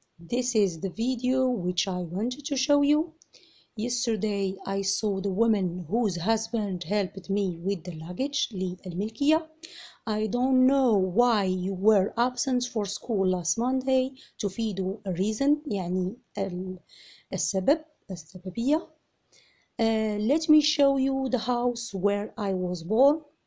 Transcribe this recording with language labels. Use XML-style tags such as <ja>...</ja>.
<en>This is the video which I wanted to show you. Yesterday I saw the woman whose husband helped me with the luggage</en> <ar>للملكية.</ar> <en>I don't know why you were absent for school last Monday.</en> <ar>تفيد reason يعني السبب السببية.</ar> <en>Let me show you the house where I was born.</en>